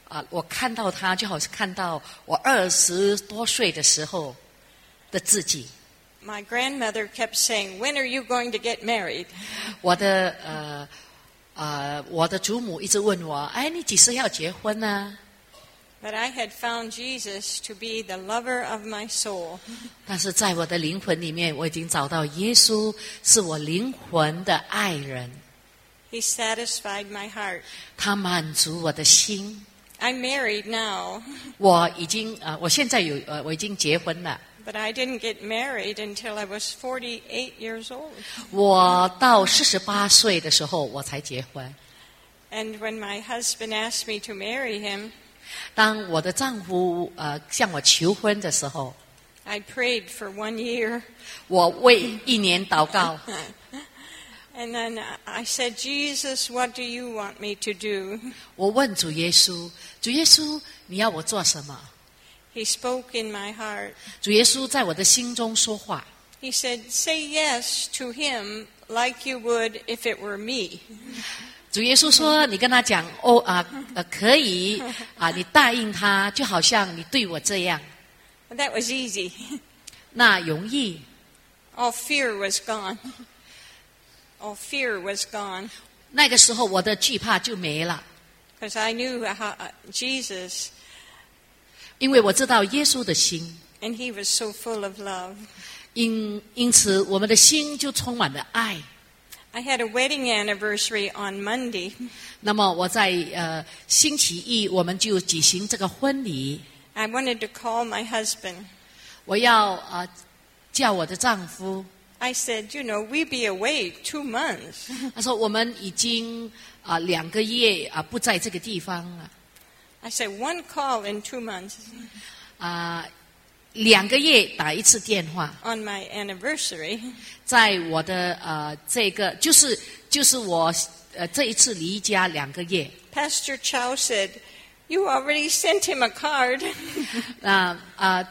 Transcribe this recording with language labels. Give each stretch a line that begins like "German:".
Chinese: 我看到他就好像看到我二十多岁的时候的自己。
English: My grandmother kept saying, "When are you going to get married?"
Chinese: 我的我的祖母一直问我，哎，你几时要结婚呢？
English: But I had found Jesus to be the lover of my soul.
Chinese: 但是在我的灵魂里面，我已经找到耶稣是我灵魂的爱人。
English: He satisfied my heart.
Chinese: 他满足我的心。
English: I'm married now.
Chinese: 我已经我现在有我已经结婚了。
English: But I didn't get married until I was 48 years old.
Chinese: 我到48岁的时候我才结婚。
English: And when my husband asked me to marry him,
Chinese: 当我的丈夫向我求婚的时候，
English: I prayed for 1 year.
Chinese: 我为一年祷告。
English: And then I said, Jesus, what do you want me to do?
Chinese: 我问主耶稣，主耶稣，你要我做什么？
English: He spoke in my heart.
Chinese: 主耶稣在我的心中说话。
English: He said, "Say yes to him like you would if it were me."
Chinese: 主耶稣说，你跟他讲，哦啊，可以啊，你答应他，就好像你对我这样。
English: That was easy.
Chinese: 那容易。
English: All fear was gone. All fear was gone.
Chinese: 那个时候我的惧怕就没了。
English: Because I knew how Jesus.
Chinese: 因为我知道耶稣的心
English: And he was so full of love.
Chinese: 因此我们的心就充满了爱。
English: I had a wedding anniversary on Monday.
Chinese: 那么我在星期一我们就举行这个婚礼。
English: I wanted to call my husband.
Chinese: 我要叫我的丈夫。
English: I said, you know, we'd be away 2 months.
Chinese: 他说我们已经两个月不在这个地方了。
English: I said, one call in 2 months.
Chinese: 两个月打一次电话。
English: On my anniversary.
Chinese: 在我的这个就是我这一次离家两个月。
English: Pastor Chow said, you already sent him a card.